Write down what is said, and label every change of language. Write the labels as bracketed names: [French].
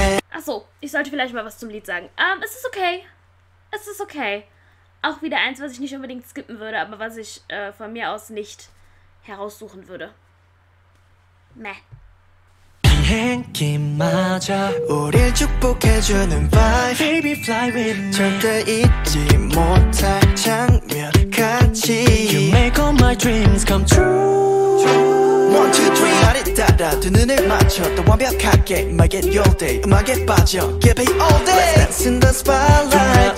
[German] Achso, ich sollte vielleicht mal was zum Lied sagen. Es ist okay. Es ist okay. Auch wieder eins, was ich nicht unbedingt skippen würde, aber was ich von mir aus nicht heraussuchen würde. Meh. [English] 비행기마저 우릴 축복해주는 vibe Baby fly with me [Korean] 절대 잊지 못할 장면 같이 [English] You make all my dreams come true 1, 2, 3 날이 따라 두 눈을 맞춰 또 완벽하게 Make it your day 음악에 빠져 Give it all day Let's dance in the spotlight